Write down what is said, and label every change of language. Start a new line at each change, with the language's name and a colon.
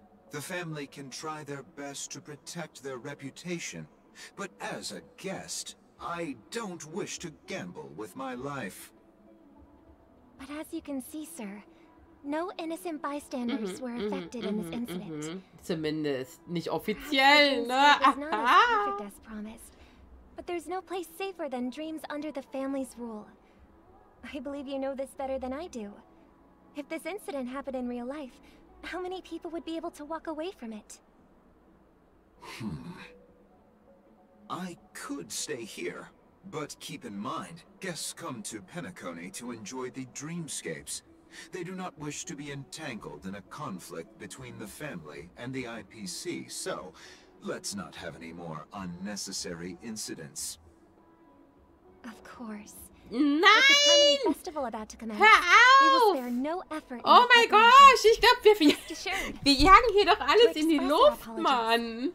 English: The family can try their best to protect their reputation, but as a guest, I don't wish to gamble with my life. But as you can see, sir, no innocent bystanders were affected in this incident.
German: Zumindest nicht offiziell, ne?
English: It's not as perfect as promised, but there's no place safer than Dreams under the family's rule. I believe you know this better than I do. If this incident happened in real life, how many people would be able to walk away from it? I could stay here, but keep in mind, guests come to Penacony to enjoy the dreamscapes. They do not wish to be entangled in a conflict between the family and the IPC, so let's not have any more unnecessary incidents. Of course.
German: Nein!
English: Festival about to commence.
German: Hör auf!
English: No effort,
German: oh mein Gott, ich glaube, wir jagen hier doch alles in die Luft, Mann.